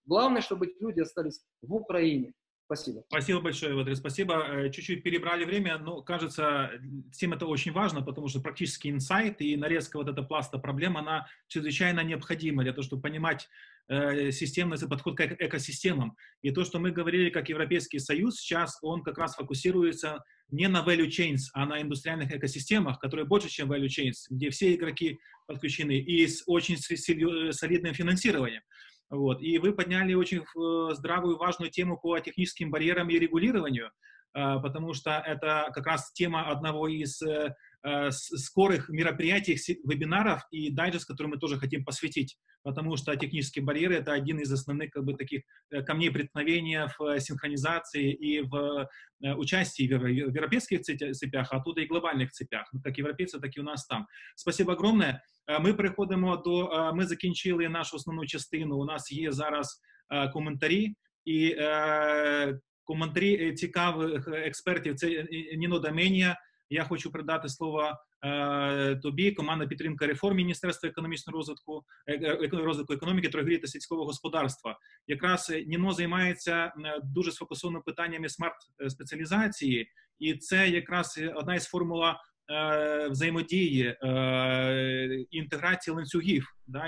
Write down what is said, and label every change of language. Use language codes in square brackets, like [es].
[ru] Главное, чтобы эти люди остались в Украине. Спасибо. Спасибо большое, Вадрис. Спасибо. Чуть-чуть перебрали время, но кажется, всем это очень важно, потому что практически инсайт и нарезка вот этого пласта проблем, она чрезвычайно необходима для того, чтобы понимать, системность и подход к экосистемам. И то, что мы говорили, как Европейский Союз, сейчас он как раз фокусируется не на value chains, а на индустриальных экосистемах, которые больше, чем value chains, где все игроки подключены и с очень солидным финансированием. Вот. И вы подняли очень здравую, важную тему по техническим барьерам и регулированию, потому что это как раз тема одного из скорых мероприятий, вебинаров и дайджест, который мы тоже хотим посвятить, потому что технические барьеры — это один из основных как бы, таких камней преткновения в синхронизации и в участии в европейских цепях, а оттуда и глобальных цепях, как европейцы, так и у нас там. Спасибо огромное. Мы закончили нашу основную частину, у нас есть зараз [uk] коментарі. І коментарі цікавих експертів – це Ніно Даменія. Я хочу передати слово тобі, команда підтримки реформ Міністерства економічного розвитку, розвитку економіки, торгівлі та сільського господарства. Якраз Ніно займається дуже сфокусовано питаннями смарт-спеціалізації, і це якраз одна із формула взаємодії інтеграції ланцюгів. Да?